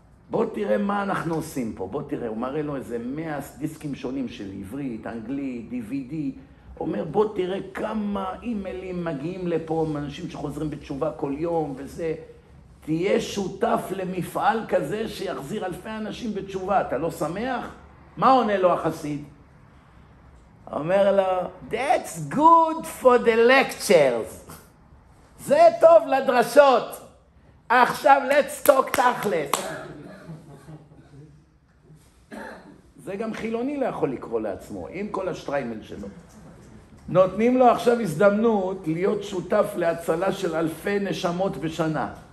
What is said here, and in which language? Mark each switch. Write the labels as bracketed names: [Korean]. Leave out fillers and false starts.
[Hebrew] בוא תראה מה אנחנו עושים פה. בוא תראה, הוא מראה לו איזה 100 דיסקים שונים של עברית, אנגלית, DVD. אומר, בוא תראה כמה אימיילים מגיעים לפה, אנשים שחוזרים בתשובה כל יום וזה. תהיה שותף למפעל כזה שיחזיר אלפי אנשים בתשובה. אתה לא שמח? מה עונה לו החסיד? אומר לו, [English] that's good for the lectures. [Hebrew] זה טוב לדרשות. עכשיו, [English] let's talk [Hebrew] תכלס. זה גם חילוני לא יכול לקרוא לעצמו, עם כל השטריימל שלו. נותנים לו עכשיו הזדמנות להיות שותף להצלה של אלפי נשמות בשנה.